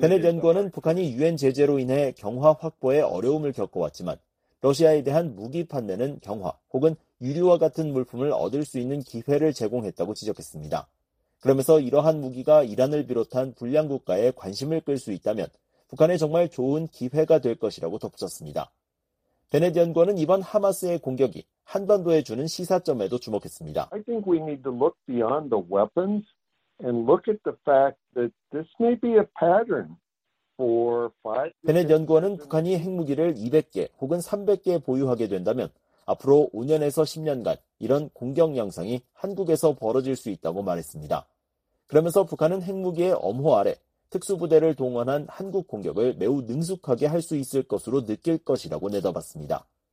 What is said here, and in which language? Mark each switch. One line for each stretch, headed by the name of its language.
Korean: 베넷 연구원은 북한이 유엔 제재로 인해 경화 확보에 어려움을 겪어왔지만 러시아에 대한 무기 판매는 경화 혹은 유류와 같은 물품을 얻을 수 있는 기회를 제공했다고 지적했습니다. 그러면서 이러한 무기가 이란을 비롯한 불량 국가에 관심을 끌 수 있다면 북한에 정말 좋은 기회가 될 것이라고 덧붙였습니다. 베넷 연구원은 이번 하마스의 공격이 한반도에 주는 시사점에도 주목했습니다.
English: I think we need to look beyond the weapons and look at the fact that this may be a pattern for five.
Korean: 베넷 연구원은 북한이 핵무기를 200개 혹은 300개 보유하게 된다면 앞으로 5년에서 10년간 이런 공격 양상이 한국에서 벌어질 수 있다고 말했습니다. 그러면서 북한은 핵무기의 엄호 아래 특수부대를 동원한 한국 공격을 매우 능숙하게 할 수 있을 것으로 느낄 것이라고 내다봤습니다.